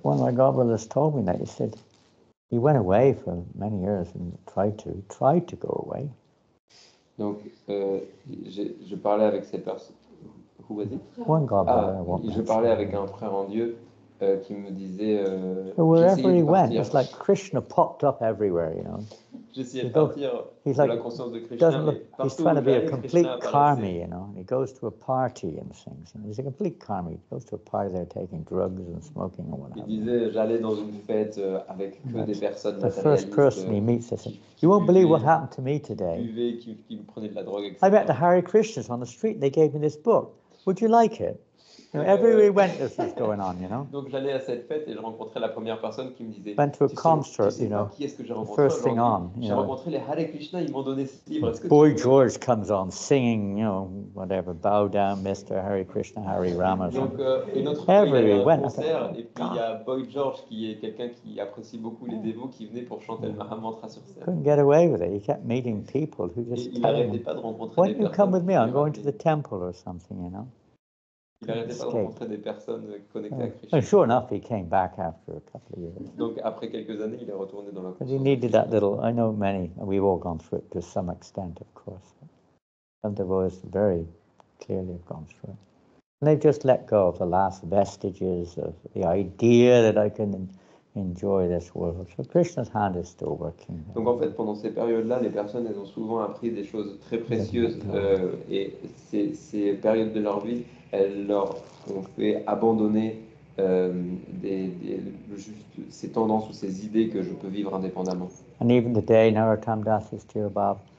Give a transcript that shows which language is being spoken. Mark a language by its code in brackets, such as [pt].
[en] One of my godbrothers told me that. He said he went away for many years and tried to go away. [fr] Donc, je parlais avec cette personne. [en] Who was it? One godbrother. Ah, [fr] je parlais avec un frère en Dieu qui me disait. [en] So wherever he went, it's like Krishna popped up everywhere, you know. [fr] J'essayais de partir de la conscience de Krishna. [en] Look, he's trying to be a complete karmi, you know. And he goes to a party and things. And he's a complete karmi. He goes to a party there taking drugs and smoking or whatever. [fr] Il disait, j'allais dans une fête avec que des personnes. [en] The first person he meets, they say, you won't believe what happened to me today. [fr] Qui me prenait de la drogue, etc. [en] I met the Hare Krishnas on the street and they gave me this book. Would you like it? You know, everywhere we went, this was going on, you know. [fr] Donc j'allais à cette fête et je rencontrais la première personne qui me disait. [en] Went to a concert, [fr] tu sais, [en] you know. [fr] Qui est-ce que j'ai rencontré? [en] First thing on, you know. [fr] J'ai rencontré les Hare Krishna, ils m'ont donné ce livre. [en] Boy George comes on, singing, you know, whatever. Bow down, Mr. Hare Krishna, Hare Rama. [fr] Donc et notre frère il avait un concert et puis il y a Boy George qui est quelqu'un qui apprécie beaucoup les dévots qui venaient pour chanter le Mahamantra sur scène. [en] Couldn't get away with it. He kept meeting people who just. [fr] Il n'arrêtait pas de rencontrer des personnes. [en] Why don't you come with me? I'm going to the temple or something, you know. [fr] Il n'arrêtait pas de rencontrer des personnes connectées à Krishna. [en] And sure enough, he came back after a couple of years. [fr] Donc après quelques années, il est retourné dans la conscience. [en] But he needed that little. I know many. We've all gone through it to some extent, of course. Some devotees very clearly have gone through it. And they've just let go of the last vestiges of the idea that I can enjoy this world. So Krishna's hand is still working. [fr] Donc en fait, pendant ces périodes-là, les personnes elles ont souvent appris des choses très précieuses. Et ces périodes de leur vie. Elles leur ont fait abandonner juste ces tendances ou ces idées que je peux vivre indépendamment. [en] And even today, Narottam Das is still above.